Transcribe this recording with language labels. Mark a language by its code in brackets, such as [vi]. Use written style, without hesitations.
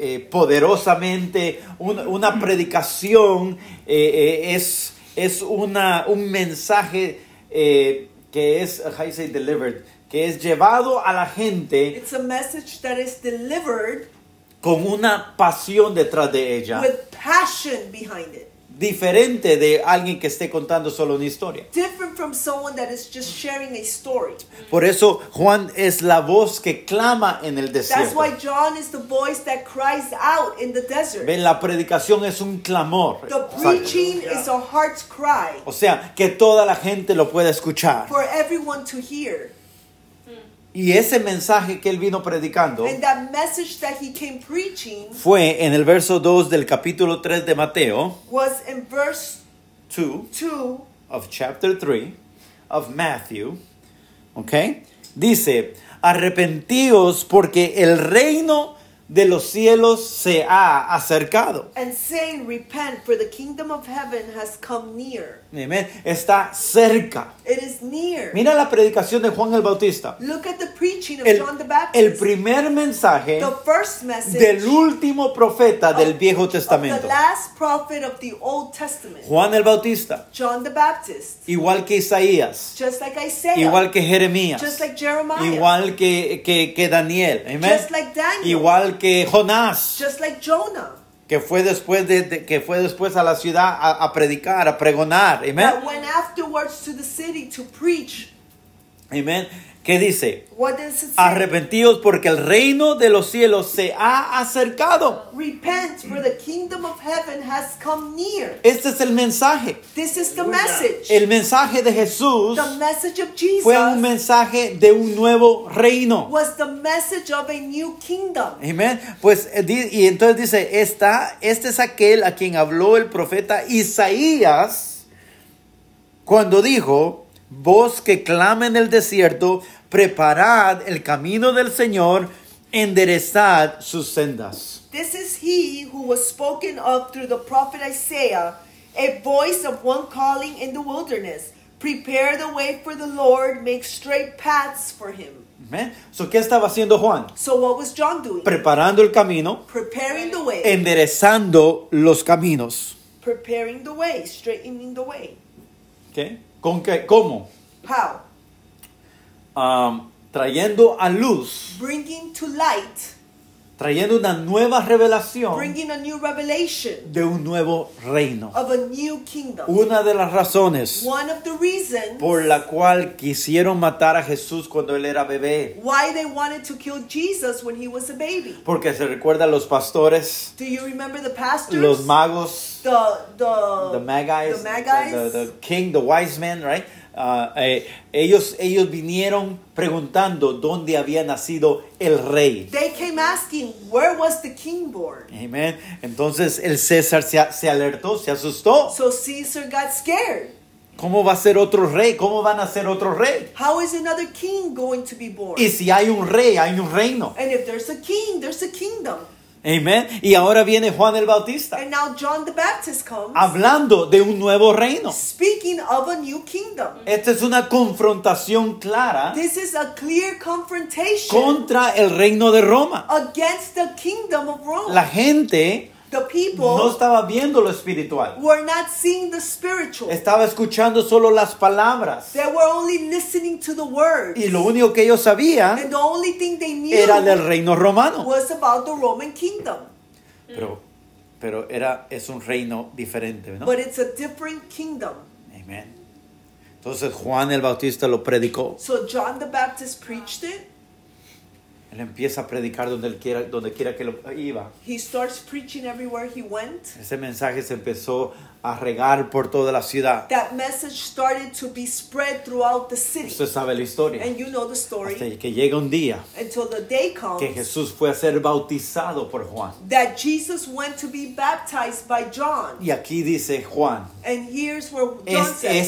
[es] Poderosamente una predicación es un mensaje que es, [en] how you say, delivered, [es] que es llevado a la gente. [en] It's a message that is delivered [es] con una pasión detrás de ella, [en] with passion behind it. [es] Diferente de alguien que esté contando solo una historia. [en] Different from someone that is just sharing a story. [es] Por eso Juan es la voz que clama en el desierto. [en] That's why John is the voice that cries out in the desert. [es] Ven, la predicación es un clamor. [en] The preaching is a heart's cry. [es] O sea, que toda la gente lo pueda escuchar. [en] For everyone to hear. [es] Y ese mensaje que él vino predicando, [en] and that message that he came preaching, [es] fue en el verso 2 del capítulo 3 de Mateo, [en] was in verse 2 of chapter 3 of Matthew, okay? [es] Dice, arrepentíos porque el reino de los cielos se ha acercado. [en] And saying, repent, for the kingdom of heaven has come near. [es] Amen. Está cerca. [en] It is near. [es] Mira la predicación de Juan el Bautista. [en] Look at the preaching of John the Baptist. [es] El primer mensaje. [en] The first message. [es] Del último profeta del Viejo Testamento. [en] Of the last prophet of the Old Testament. [es] Juan el Bautista. [en] John the Baptist. [es] Igual que Isaías. [en] Just like Isaiah. [es] Igual que Jeremías. [en] Just like Jeremiah. [es] Igual que Daniel. Amen. [en] Just like Daniel. [es] Igual que Jonás. [en] Just like Jonah. [es] Que fue después que fue después a la ciudad a predicar, a pregonar. Amen. [en] That went afterwards to the city to preach. [es] Amen. ¿Qué dice? [en] What does it say? [es] Arrepentíos porque el reino de los cielos se ha acercado. [en] Repent, for the kingdom of heaven has come near. [es] Este es el mensaje. [en] This is the message. [es] El mensaje de Jesús. [en] The message of Jesus. [es] Fue un mensaje de un nuevo reino. [en] Was the message of a new kingdom. Amen. [es] Pues, y entonces dice, este es aquel a quien habló el profeta Isaías cuando dijo: Voz que clama en el desierto, preparad el camino del Señor, enderezad sus sendas. [en] This is he who was spoken of through the prophet Isaiah, a voice of one calling in the wilderness. Prepare the way for the Lord, make straight paths for him. Amen. [es] So, ¿qué estaba haciendo Juan? [en] So, what was John doing? [es] Preparando el camino. [en] Preparing the way. [es] Enderezando los caminos. [en] Preparing the way, straightening the way. [es] Okay. ¿Con qué? ¿Cómo? [en] How? [es] Trayendo a luz. [en] Bringing to light. [es] Trayendo una nueva revelación. [en] Bringing a new revelation. [es] De un nuevo reino. [en] Of a new kingdom. [es] Una de las razones. [en] One of the reasons. [es] Por la cual quisieron matar a Jesús cuando él era bebé. [en] Why they wanted to kill Jesus when he was a baby. [es] Porque se recuerda a los pastores. [en] Do you remember the pastors? [es] Los magos. [en] The magi. The magi. The king, the wise men, right? [es] Ellos vinieron preguntando dónde había nacido el rey. [en] They came asking, where was the king born? Amen. [es] Entonces el César se alertó, se asustó. [en] So Caesar got scared. [es] ¿Cómo va a ser otro rey? ¿Cómo van a ser otro rey? [en] How is another king going to be born? [es] Y si hay un rey, hay un reino. [en] And if there's a king, there's a kingdom. Amen. [es] Y ahora viene Juan el Bautista. [en] And now John the Baptist comes. [es] Hablando de un nuevo reino. [en] Speaking of a new kingdom. [es] Esta es una confrontación clara. [en] This is a clear confrontation. [es] Contra el reino de Roma. [en] Against the kingdom of Rome. [es] La gente. [en] The people. [es] No estaba viendo lo espiritual. [en] Were not seeing the spiritual. [es] Estaba escuchando solo las palabras. [en] They were only listening to the words. [es] Y lo único que ellos sabían. [en] And the only thing they knew. [es] Era del reino romano. [en] Was about the Roman kingdom. [es] Pero era, es un reino diferente, ¿no? [en] But it's a different kingdom. Amen. [es] Entonces Juan el Bautista lo predicó. [en] So John the Baptist preached it. [es] Él empieza a predicar donde quiera que lo iba. [en] He starts preaching everywhere he went. [es] Ese mensaje se empezó a regar por toda la ciudad. [en] That message started to be spread throughout the city. [es] Usted sabe la historia. [en] And you know the story. [es] Hasta que llega un día. [en] Until the day comes. [es] Que Jesús fue a ser bautizado por Juan. [en] That Jesus went to be baptized by John. [es] Y aquí dice Juan. [en] And here's where John says.